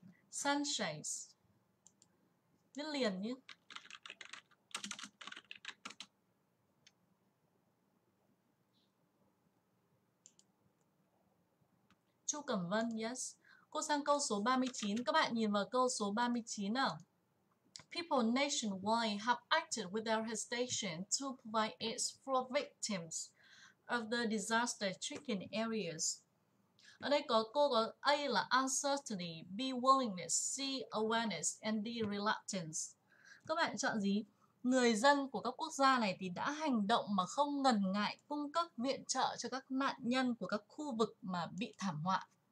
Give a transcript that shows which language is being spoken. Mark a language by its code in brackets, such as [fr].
[vi] Sunshine. Viết liền nhé. Chu Cẩm Vân, yes. Cô sang câu số 39. Các bạn nhìn vào câu số 39 nào. [en] People nationwide have acted without hesitation to provide aid for victims of the disaster stricken areas. [vi] Ở đây có cô có A là uncertainty, B willingness, C awareness and D reluctance. Các bạn chọn gì? Người dân của các quốc gia này thì đã hành động mà không ngần ngại cung cấp viện trợ cho các nạn nhân của các khu vực mà bị thảm họa.